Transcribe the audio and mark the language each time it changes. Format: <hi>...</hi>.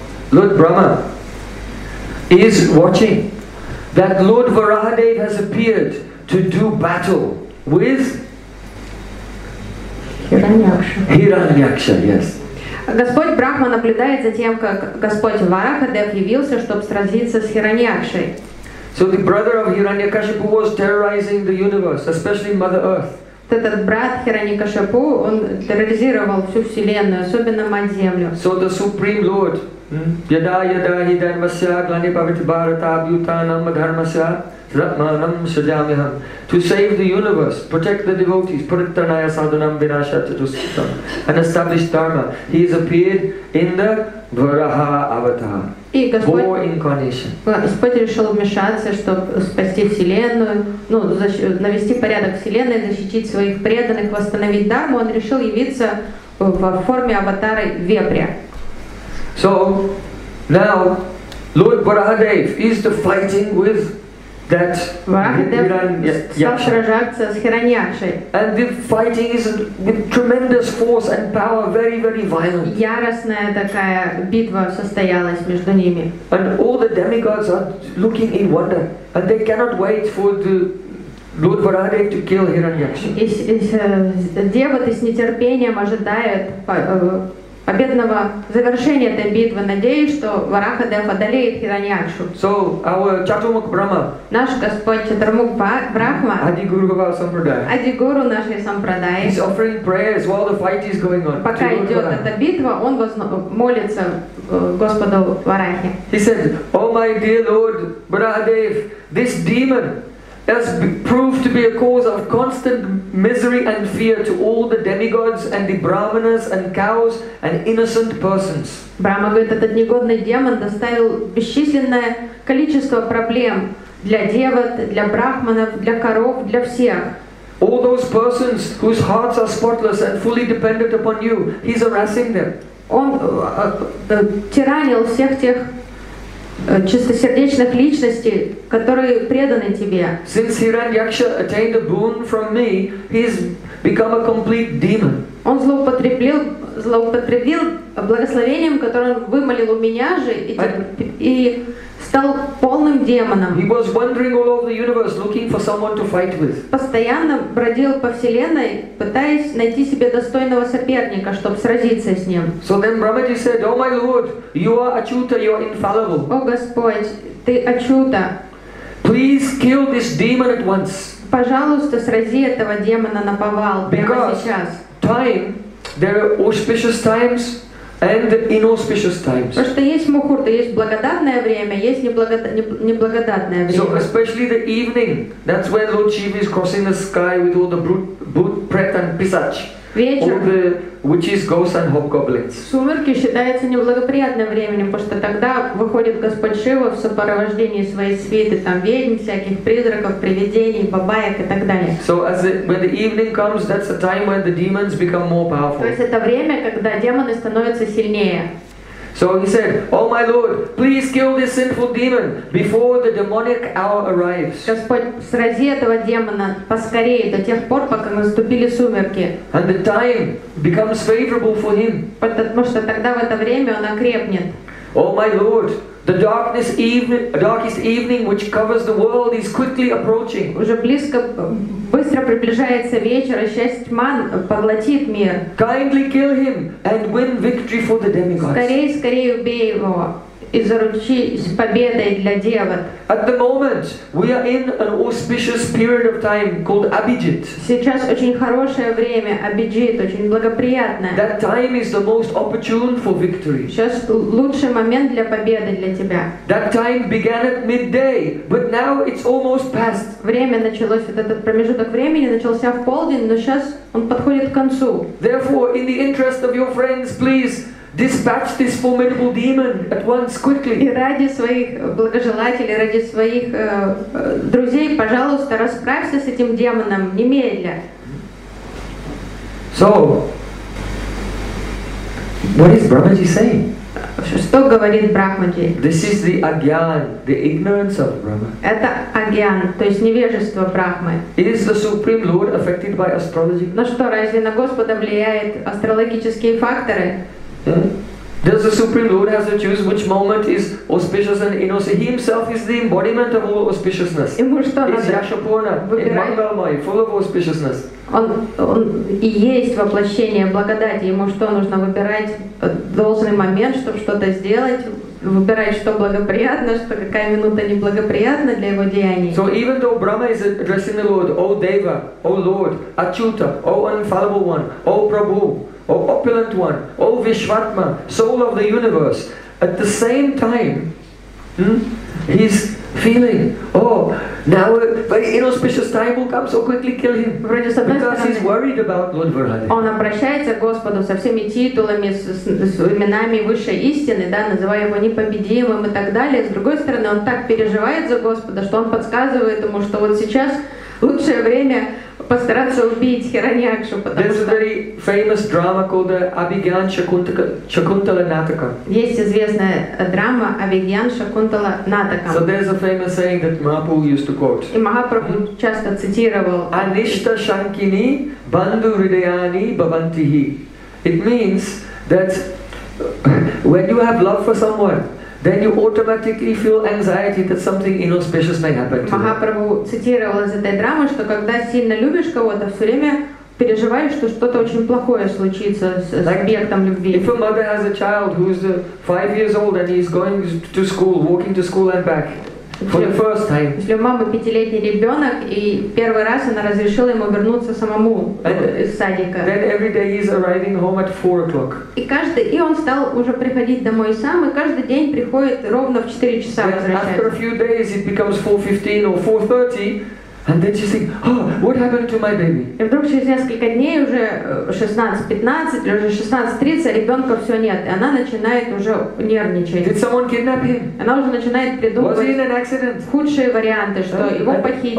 <en>Lord Brahma is watching that Lord Varahadev has appeared to do battle with Hiranyaksha, yes.</en> <ru>Господь Брахма наблюдает за тем, как Господь Варахадев явился, чтобы сразиться с Хираньякшей.</ru> <en>So the brother of Hiranyakashipu was terrorizing the universe, especially Mother Earth.</en> <ru>Этот брат Хираньякашипу, он терроризировал всю вселенную, особенно мать землю.</ru> <en>So the supreme lord,</en> <sa>yada yada hi dharmasya glani pavita bharata abhyutanam dharmasya ratmanam sajamiham,</sa> <en>to save the universe, protect the devotees,</en> <sa>puritanaya sadhanam vinashatatusitam,</sa> <en>and establish dharma, he has appeared in the varaha avatar.</en> <ru>И Господь,</ru> <en>four incarnation.</en> <ru>Господь решил вмешаться, чтобы спасти Вселенную, ну, навести порядок Вселенной, защитить своих преданных, восстановить дарму. Он решил явиться в форме аватара вепря.</ru> <en>So, now, Lord Varahadev is the fighting with that</en> <ru>сражаться с Хираньякшей.</ru> <en>And the fighting is with tremendous force and power, very, very violent.</en> <ru>Яростная такая битва состоялась между ними.</ru> <en>And all the demigods are looking in wonder, and they cannot wait for the Lord Varahadev to kill Hiranyaksha.</en> <ru>И девы с нетерпением ожидают победного завершения этой битвы, надеюсь, что Варахадев одолеет Хираньякшу.</ru> <en>So, our Чатурмук Брахма,</en> <ru>наш Господь Чатурмук Брахма, Адигуру нашей Сампрадаи,</ru> <en>he's offering prayers while the fight is going on.</en> <ru>Пока идет эта битва, он молится Господу Варахе.</ru> <en>He said, oh my dear Lord Varahadev, this demon has proved to be a cause of constant misery and fear to all the demigods and the brahmanas and cows and innocent persons.</en> <ru>Брахма говорит, этот негодный демон доставил бесчисленное количество проблем для девот, для брахманов, для коров, для всех.</ru> <en>All those persons whose hearts are spotless and fully dependent upon you, he's harassing them.</en> <ru>Он тиранил всех тех чистосердечных личностей, которые преданы тебе.</ru> <en>Since Hiranyaksha attained a boon from me, he's become a complete demon.</en> <ru>Он злоупотребил благословением, которое он вымолил у меня же, и стал полным демоном.</ru> <en>He was wandering all over the universe, looking for someone to fight with.</en> <ru>Постоянно бродил по вселенной, пытаясь найти себе достойного соперника, чтобы сразиться с ним.</ru> <en>So then Brahmaji said, oh my Lord, you are Achyuta, you are infallible.</en> <ru>О Господь, ты Ачута.</ru> <en>Please kill this demon at once.</en> <ru>Пожалуйста, срази этого демона на повал прямо сейчас.</ru> <en>Time, there are auspicious times and inauspicious times.</en> <ru>Потому что есть мухурта, есть благодатное время, есть неблагодатное время.</ru> <en>So especially the evening, that's when Lord Shiva is crossing the sky with all the bhut, pret and pisach.</en> <ru>Вечер.</ru> <en>All the witches, ghosts and hobgoblins.</en> <ru>Сумерки считается неблагоприятным временем, потому что тогда выходит Господь Шива в сопровождении своей свиты, там ведьм, всяких призраков, привидений, бабаек и так далее.</ru> <en>So as when the evening comes, that's the time when the demons become more powerful.</en> <ru>То есть это время, когда демоны становятся сильнее.</ru> <en>So he said, oh my Lord, please kill this sinful demon before the demonic hour arrives.</en> <ru>Господь, срази этого демона поскорее, до тех пор, пока наступили сумерки.</ru> <en>And the time becomes favorable for him.</en> <ru>Потому что тогда в это время он окрепнет.</ru> <en>Oh my Lord, the darkest evening which covers the world is quickly approaching.</en> <ru>Уже близко, быстро приближается вечер, и часть тьма поглотит мир.</ru> <en>Kindly kill him and win victory for the demigods.</en> <ru>Скорее, скорее убей его, и заручись победой для девот.</ru> <en>At the moment, we are in an auspicious period of time called Abhijit.</en> <ru>Сейчас очень хорошее время, Абиджит, очень благоприятное.</ru> <en>That time is the most opportune for victory.</en> <ru>Сейчас лучший момент для победы для тебя.</ru> <en>That time began at midday, but now it's almost past.</en> <ru>Время началось, вот этот промежуток времени начался в полдень, но сейчас он подходит к концу.</ru> <en>Therefore, in the interest of your friends, please, dispatch this formidable demon at once quickly.</en> <ru>И ради своих благожелателей, ради своих друзей, пожалуйста, расправься с этим демоном немедля.</ru> <en>So, what is Brahmaji saying?</en> <ru>Что говорит Брахмаджи?</ru> <en>This is the agyan, the ignorance of Brahma.</en> <ru>Это агьян, то есть невежество Брахмы.</ru> <en>Is the Supreme Lord affected by astrology?</en> <ru>Но что, разве на Господа влияет астрологические факторы?</ru> <en>Yeah. Does the Supreme Lord have to choose which moment is auspicious and innocent? He himself is the embodiment of all auspiciousness. Is Yashapurna, in Mangalmai, full of auspiciousness.</en> <ru>Он и есть воплощение благодати. Ему что, нужно выбирать должный момент, чтобы что-то сделать, выбирать, что благоприятно, что какая минута неблагоприятна для его деяний.</ru> <en>So even though Brahma is addressing the Lord, O Deva, O Lord, Achyuta, O Unfallible One, O Prabhu, O Opulent One, O Vishvatma, Soul of the Universe, at the same time, he's feeling, oh, now a very inauspicious time will come, so quickly kill him. Because he's worried about Lord Varahadeva.</en> <ru>Он обращается к Господу со всеми титулами, с именами высшей истины, да, называя его непобедимым и так далее. С другой стороны, он так переживает за Господа, что он подсказывает ему, что вот сейчас лучшее время постараться убить Хираньякшу, потому что...</ru> <en>There's a very famous drama called the Abhigyan Shakuntala Nataka.</en> <ru>Есть известная драма Abhigyan Shakuntala Nataka.</ru> <en>So there's a famous saying that Mahaprabhu used to quote.</en> <ru>И Махапрабху часто цитировал.</ru> <sa>Anishta Shankini Bandhu Hridayani Bhavantihi.</sa> <en>It means that when you have love for someone, then you automatically feel anxiety that something inauspicious may happen to you.</en> <ru>Махапрабху цитировал из этой драмы, что когда сильно любишь кого-то, все время переживаешь, что что-то очень плохое случится с объектом любви.</ru> <en>If a mother has a child who is 5 years old and he's going to school, walking to school and back for the first time.</en> <ru>Если у мамы 5-летний ребенок и первый раз она разрешила ему вернуться самому из садика.</ru> <en>Then every day he's arriving home at 4 o'clock.</en> <ru>И он стал уже приходить домой сам и каждый день приходит ровно в 4 часа возвращается.</ru> <en>After a few days it becomes 4:15 or 4:30. And then she's like, oh, what happened to my baby?</en> <ru>И вдруг через несколько дней уже 16:15 или уже 16:30 ребенка все нет, и она начинает уже нервничать.</ru> <en>Did someone kidnap him?</en> <ru>Она уже начинает придумывать.</ru> <en>Was he in an accident?</en> <ru>Худшие варианты, что его похитили.</ru>